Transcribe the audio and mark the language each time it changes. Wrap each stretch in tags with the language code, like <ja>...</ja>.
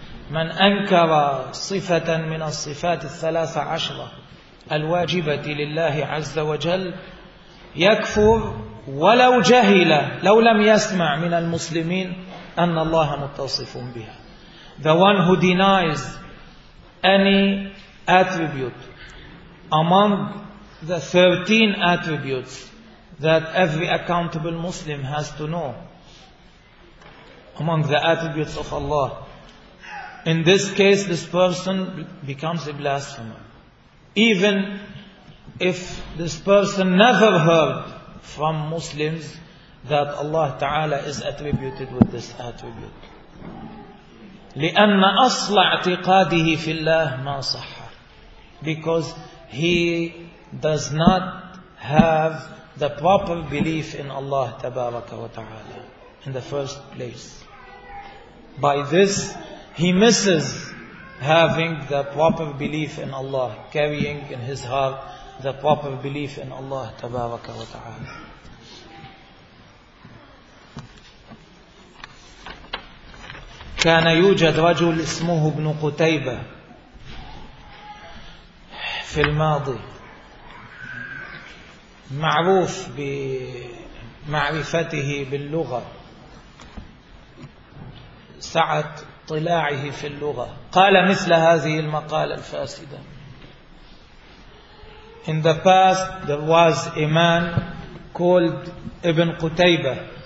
<ar>من أنكر صفة من الصفات الثلاث عشرة الواجبة لله عز وجل يكفر ولو جهل، لو لم يسمع من المسلمين أن الله متصف بها.</ar> <en>The one who denies any attribute among the 13 attributes that every accountable Muslim has to know, among the attributes of Allah, in this case, this person becomes a blasphemer. Even if this person never heard from Muslims that Allah Ta'ala is attributed with this attribute.</en> <ar>لِأَنَّ أَصْلَ اعْتِقَادِهِ فِي اللَّهِ مَا صَحَّ.</ar> <en>Because he does not have the proper belief in Allah Tabaraka wa Ta'ala in the first place. By this, he misses having the proper belief in Allah, carrying in his heart the proper belief in Allah Tabaraka wa Ta'ala.</en> <ar>كان يوجد رجل اسمه ابن قتيبة في الماضي، معروف بمعرفته باللغة، سعة طلاعه في اللغة، قال مثل هذه المقالة الفاسدة.</ar> <en>In the past there was a man called Ibn Qutaybah.</en>